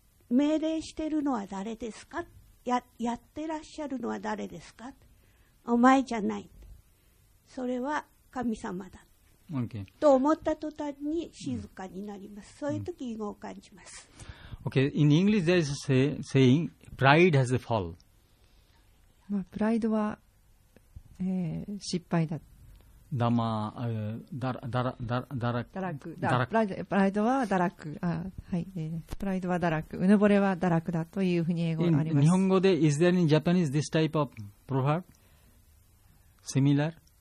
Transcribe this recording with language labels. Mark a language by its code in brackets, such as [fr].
[ja] 命令してるのは誰ですか、やってらっしゃるのは誰ですか。お前じゃない、それは神様だ、 [en] okay. [ja] と思った途端に静かになります、そういう時異語を感じます、 [en] okay. In English there is a saying pride has a fall、 [ja] まあ、プライドは失敗だ。ダマ、プライドは堕落。はい、プライドは堕落。うぬぼれは堕落だというふうに英語があります。日本語で、 [en] is there in Japanese this type of proverb? Similar?